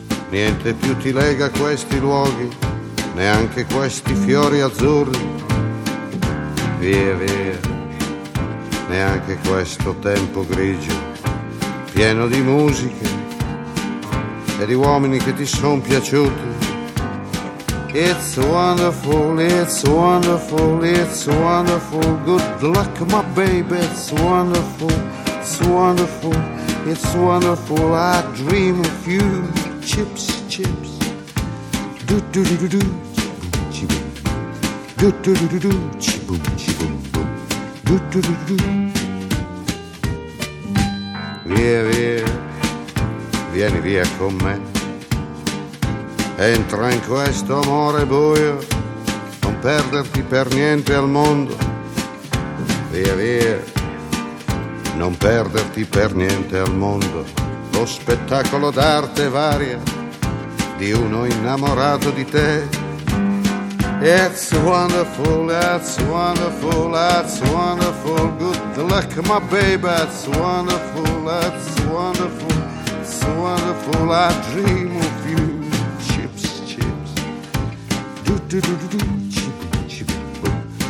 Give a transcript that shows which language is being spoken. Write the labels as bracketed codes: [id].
[it] Niente più ti lega a questi luoghi, neanche questi fiori azzurri. Via, via, neanche questo tempo grigio, pieno di musiche e di uomini che ti son piaciuti. [en] It's wonderful, it's wonderful, it's wonderful. Good luck, my baby, it's wonderful. It's wonderful, it's wonderful. I dream of you. Chips, chips. Do do do do do. Chiboom, chiboom. Do do do do do. Chiboom, chiboom, boom. Do do do do do. [it] Via, via. Vieni via con me. Entra in questo amore buio. Non perderti per niente al mondo. Via, via. Non perderti per niente al mondo. Lo spettacolo d'arte varia di uno innamorato di te. [en] It's wonderful, that's wonderful, that's wonderful. Good luck, my baby, that's wonderful, that's wonderful. It's wonderful, I dream of you. Chips, chips. Do-do-do-do-do, chip, chip, boom.